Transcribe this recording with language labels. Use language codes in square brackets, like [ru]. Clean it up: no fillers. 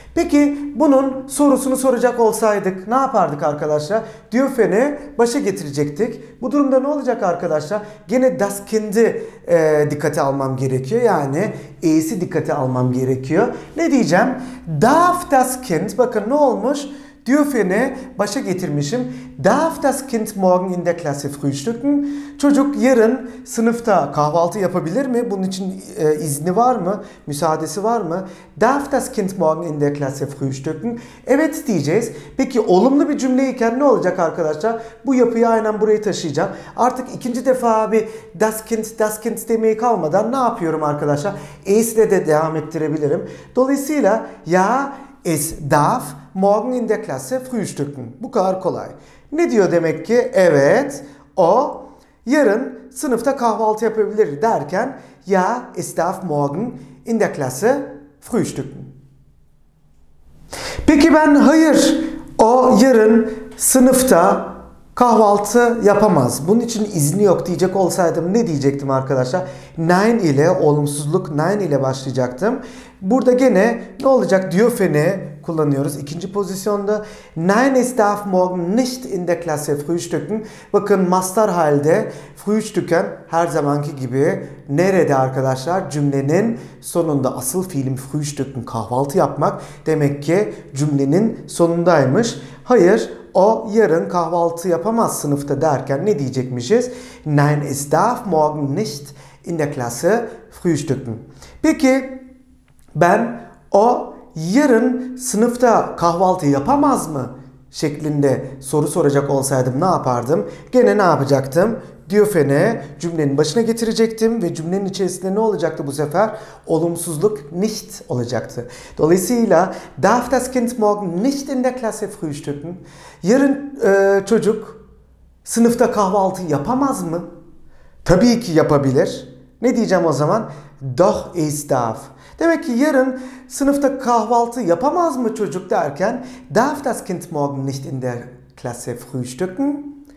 [tr] Peki bunun sorusunu soracak olsaydık ne yapardık arkadaşlar? Diofen'i başa getirecektik. Bu durumda ne olacak arkadaşlar? Gene das Kind'i dikkate almam gerekiyor. Yani E'si dikkate almam gerekiyor. Ne diyeceğim? [de] Darf das Kind, [tr] bakın ne olmuş? Diofen'i başa getirmişim. [de] Darf das Kind morgen in der Klasse frühstücken? [tr] Çocuk yarın sınıfta kahvaltı yapabilir mi? Bunun için izni var mı? Müsaadesi var mı? [de] Darf das Kind morgen in der Klasse frühstücken? [tr] Evet diyeceğiz. Peki olumlu bir cümleyken ne olacak arkadaşlar? Bu yapıyı aynen buraya taşıyacağım. Artık ikinci defa bir das Kind demeye kalmadan ne yapıyorum arkadaşlar? E'sine de devam ettirebilirim. Dolayısıyla [de] ya es darf morgen in der Klasse frühstücken. [tr] Bu kadar kolay. Ne diyor demek ki? Evet, o yarın sınıfta kahvaltı yapabilir derken [de] ya es darf morgen in der Klasse Frühstücken. [tr] Peki ben hayır, o yarın sınıfta kahvaltı yapamaz, bunun için izni yok diyecek olsaydım ne diyecektim arkadaşlar? Nein ile, olumsuzluk nein ile başlayacaktım. Burada gene ne olacak? Diyofeni kullanıyoruz ikinci pozisyonda. [de] Nein, es darf morgen nicht in der Klasse frühstücken. [tr] Bakın mastar halde frühstücken her zamanki gibi nerede arkadaşlar? Cümlenin sonunda asıl fiilim frühstücken, kahvaltı yapmak. Demek ki cümlenin sonundaymış. Hayır, o yarın kahvaltı yapamaz sınıfta derken ne diyecekmişiz? [de] Nein, es darf morgen nicht in der Klasse frühstücken. [tr] Peki ben o yarın sınıfta kahvaltı yapamaz mı şeklinde soru soracak olsaydım ne yapardım? Gene ne yapacaktım? Diyofene cümlenin başına getirecektim ve cümlenin içerisinde ne olacaktı bu sefer? Olumsuzluk nicht olacaktı. [de] Dolayısıyla darf das Kind morgen nicht in der Klasse frühstücken? [tr] Yarın çocuk sınıfta kahvaltı yapamaz mı? Tabii ki yapabilir. Ne diyeceğim o zaman? [de] Doch es darf. [tr] Demek ki yarın sınıfta kahvaltı yapamaz mı çocuk derken [de] darf das Kind morgen nicht in der Klasse frühstücken?